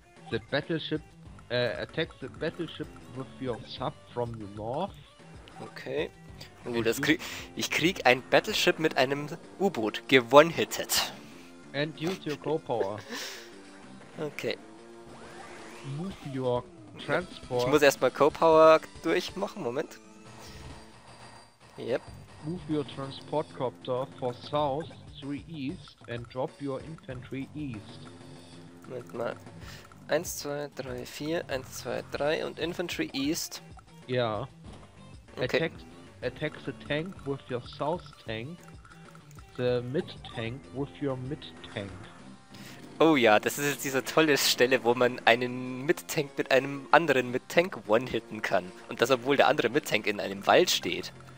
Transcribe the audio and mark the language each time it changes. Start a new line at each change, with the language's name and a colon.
English: The battleship, attack the battleship with your sub from the north. Okay.
German: Oh, das ich krieg ein Battleship mit einem U-Boot. Gewonnen-hitted.
English: And use your core power. Okay. Move your Transport.
German: Ich muss erstmal Co-Power durchmachen, Moment. Yep.
English: Move your transport copter for south 3 east and drop your infantry east.
German: Moment mal. 1, 2, 3, 4, 1, 2, 3 und
English: infantry east. Ja. Yeah. Okay. Attack the tank with your south tank, the mid tank with your mid tank.
German: Oh ja, das ist jetzt diese tolle Stelle, wo man einen Mid-Tank mit einem anderen Mid-Tank one-hitten kann. Und das, obwohl der andere Mid-Tank in einem Wald steht.